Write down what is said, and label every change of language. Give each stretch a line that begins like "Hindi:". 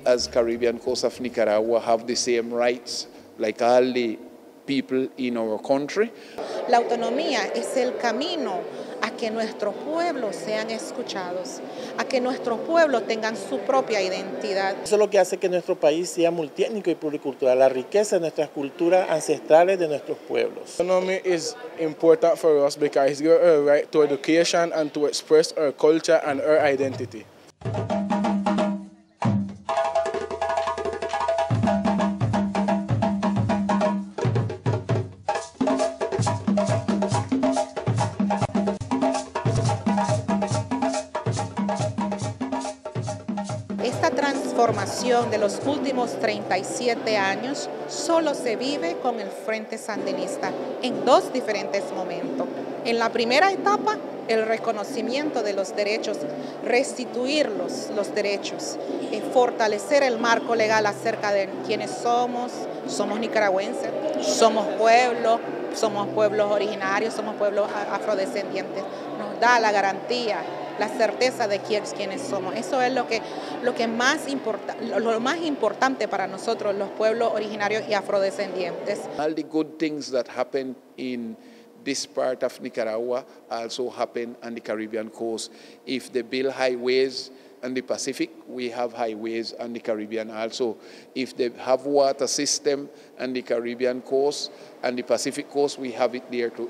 English: Caribbean coast of Nicaragua have the same rights like all the people in our country.
Spanish: La autonomía es el camino a que nuestros pueblos sean escuchados, a que nuestros pueblos tengan su propia identidad. Eso es lo que hace que nuestro país sea multiétnico y pluricultural, la riqueza de nuestras culturas ancestrales de nuestros pueblos.
English: Autonomy is important for us because it's our right to education and to express our culture and our identity.
Spanish: Esta transformación de los últimos 37 años solo se vive con el Frente Sandinista en dos diferentes momentos. En la primera etapa, el reconocimiento de los derechos, restituir los derechos, fortalecer el marco legal acerca de quiénes somos. Somos nicaragüenses, somos pueblos originarios, somos pueblos afrodescendientes. Nos da la garantía, la certeza de quiénes somos. Eso es lo más importante para nosotros, los pueblos originarios y afrodescendientes.
English: All the good things that happen in this part of Nicaragua also happen on the Caribbean coast. If they build highways on the Pacific, we have highways on the Caribbean also. If they have water system on the Caribbean coast and the Pacific coast, we have it there too.